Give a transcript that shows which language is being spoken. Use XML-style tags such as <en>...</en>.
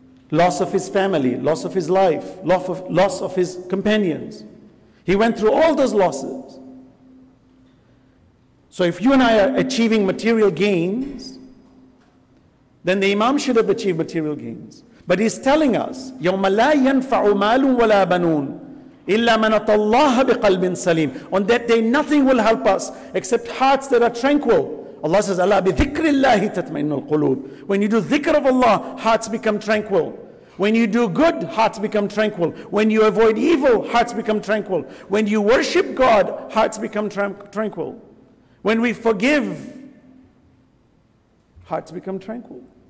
<en>Loss of his family, loss of his life, loss of his companions. He went through all those losses. So if you and I are achieving material gains, then the Imam should have achieved material gains. But he's telling us,</en> <ar>يَوْمَ لَا يَنْفَعُ مَالٌ وَلَا بَنُونَ إِلَّا مَنَطَ اللَّهَ بِقَلْبٍ سَلِيمٍ.</ar> <en>On that day, nothing will help us except hearts that are tranquil. Allah says,</en> <ar>أَلَا بِذِكْرِ اللَّهِ تَتْمَئِنُّ الْقُلُوبِ.</ar> <en>When you do dhikr of Allah, hearts become tranquil. When you do good, hearts become tranquil. When you avoid evil, hearts become tranquil. When you worship God, hearts become tranquil. When we forgive, hearts become tranquil.</en>